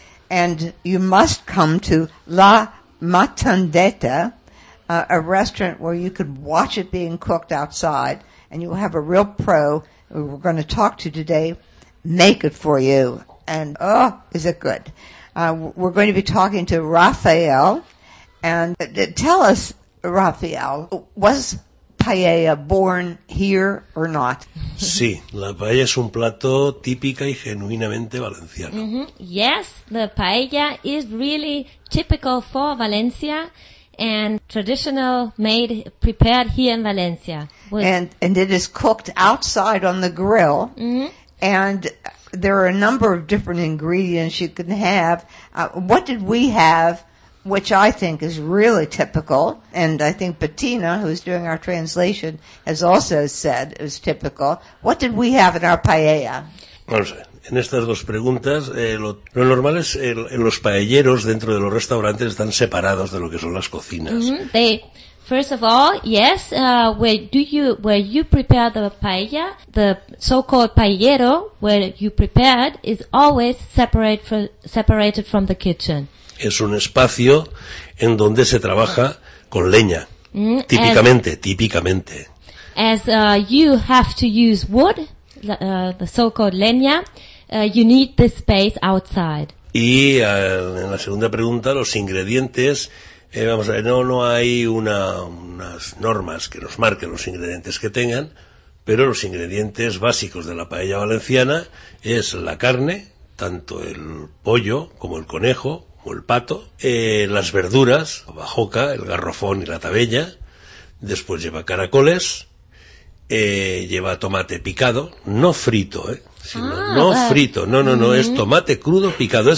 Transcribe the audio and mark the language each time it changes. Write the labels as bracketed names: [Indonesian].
[English] And you must come to La Matendata, a restaurant where you could watch it being cooked outside, and you will have a real pro who we're going to talk to today make it for you. And, oh, is it good? We're going to be talking to Rafael. And tell us, Rafael, was paella born here or not? [Spanish] Sí, la paella es un plato típica y genuinamente valenciano. Mm-hmm. [English] Yes, the paella is really typical for Valencia and traditional made, prepared here in Valencia. And it is cooked outside on the grill. Mm-hmm. And there are a number of different ingredients you can have. What did we have? Which I think is really typical, and I think Bettina, who's doing our translation, has also said it was typical. What did we have in our paella? [Spanish] Vamos a ver. En estas dos preguntas, lo normal es los paelleros dentro de los restaurantes están separados de lo que son las cocinas. Mm-hmm. [English] Where you prepare the paella, the so-called paellero, where you prepared, is always separated from the kitchen. [Spanish] Es un espacio en donde se trabaja con leña, típicamente. [English] As you have to use wood, the so-called leña, you need this space outside. [Spanish] Y en la segunda pregunta, los ingredientes, vamos a ver, no hay unas normas que nos marquen los ingredientes que tengan, pero los ingredientes básicos de la paella valenciana es la carne, tanto el pollo como el conejo, como el pato, las verduras, la bajoca, el garrofón y la tabella, después lleva caracoles, lleva tomate picado, no frito, sino frito, es tomate crudo picado.